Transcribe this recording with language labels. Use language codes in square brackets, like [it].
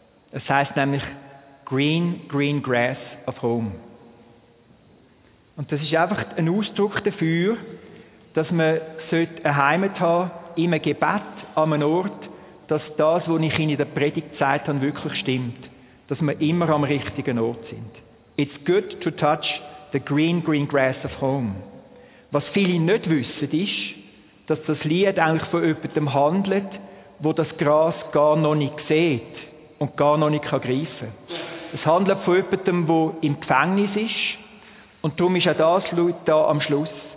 [de] Es heisst nämlich Green, Green Grass of Home. Und das ist einfach ein Ausdruck dafür, dass man eine Heimat haben sollte, in einem Gebet, an einem Ort, dass das, was ich Ihnen in der Predigt gesagt habe, wirklich stimmt. Dass wir immer am richtigen Ort sind. [en] It's good to touch the green, green grass of home. [de] Was viele nicht wissen, ist, dass das Lied eigentlich von jemandem handelt, wo das Gras gar noch nicht sieht und gar noch nicht greifen kann. Es handelt von jemandem, der im Gefängnis ist. Und darum ist auch das Lied da am Schluss.